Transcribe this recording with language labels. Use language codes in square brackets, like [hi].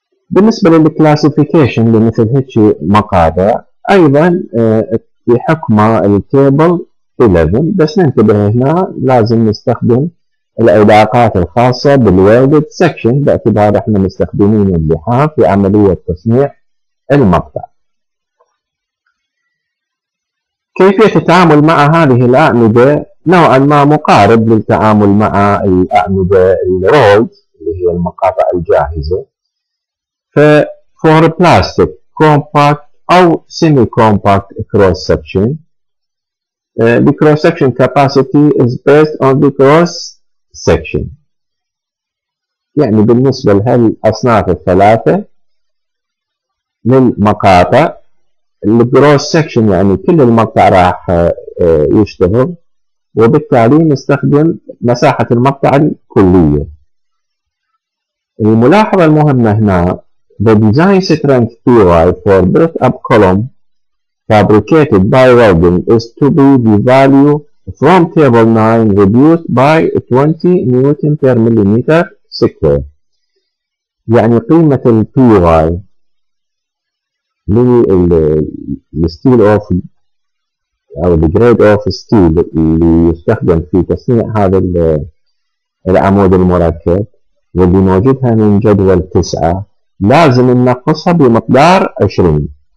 [ar] بالنسبة للكلاسيفيكيشن لمثل هيك مقاطع، أيضا بحكم التيبل 11، بس ننتبه هنا لازم نستخدم العلاقات الخاصة بالويلد سكشن باعتبار احنا مستخدمين اللحام في عملية تصنيع المقطع. كيفية التعامل مع هذه الأعمدة نوعا ما مقارب للتعامل مع الأعمدة الرولد اللي هي المقاطع الجاهزة. [en] For plastic compact او semi compact cross section, the cross section capacity is based on the cross section. [ar] يعني بالنسبة لهالأصناف الثلاثة للمقاطع، الكروس سكشن يعني كل المقطع راح يشتغل، وبالتالي نستخدم مساحة المقطع الكلية. الملاحظة المهمة هنا، [en] the design strength PY for built up column fabricated by welding is to be the value from table 9 reduced by 20 newton per millimeter square. [ar] يعني قيمة ال PY لل [en] steel of [ar] أو [en] the grade of steel [ar] اللي يستخدم في تصنيع هذا العمود المركب، واللي موجودها من جدول 9، لازم ننقصها بمقدار 20.